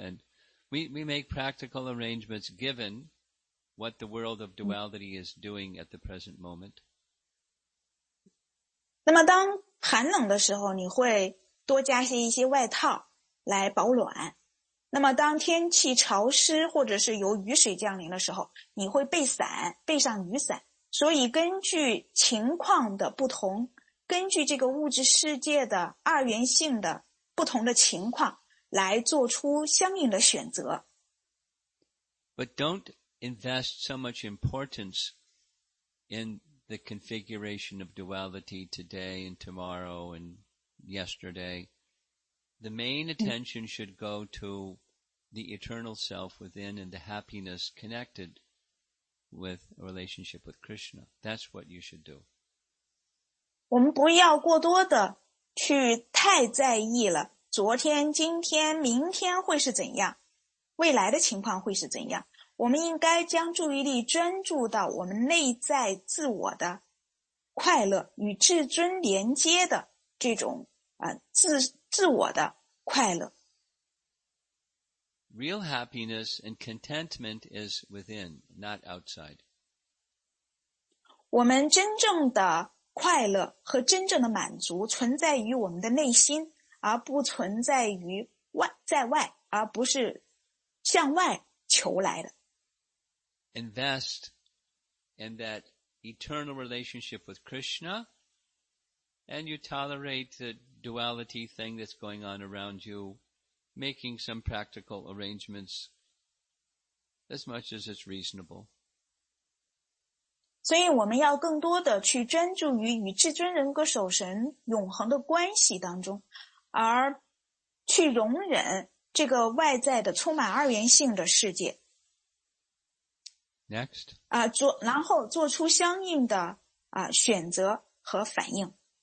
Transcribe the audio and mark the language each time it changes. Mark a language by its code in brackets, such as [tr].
[en] And we make practical arrangements given what the world of duality is doing at the present moment. [zh] 那么当寒冷的时候，你会多加些一些外套来保暖。那么当天气潮湿或者是有雨水降临的时候，你会备伞，备上雨伞。所以根据情况的不同，根据这个物质世界的二元性的不同的情况来做出相应的选择。 [en] But don't invest so much importance in the configuration of duality today and tomorrow and yesterday. The main attention should go to the eternal self within and the happiness connected with a relationship with Krishna. That's what you should do. [zh] 我们不要过多的去太在意了，昨天、今天、明天会是怎样，未来的情况会是怎样。我们应该将注意力专注到我们内在自我的快乐与至尊连接的这种自我的快乐。 [en] Real happiness and contentment is within, not outside. [zh] 我们真正的快乐和真正的满足存在于我们的内心，而不存在于在外，而不是向外求来的。 [en] Invest in that eternal relationship with Krishna, and you tolerate the duality thing that's going on around you, making some practical arrangements as much as it's reasonable. [zh] 所以我们要更多的去专注于与至尊人格守神永恒的关系当中，而去容忍这个外在的充满二元性的世界。 [en] Next. [zh] 然后做出相应的选择和反应。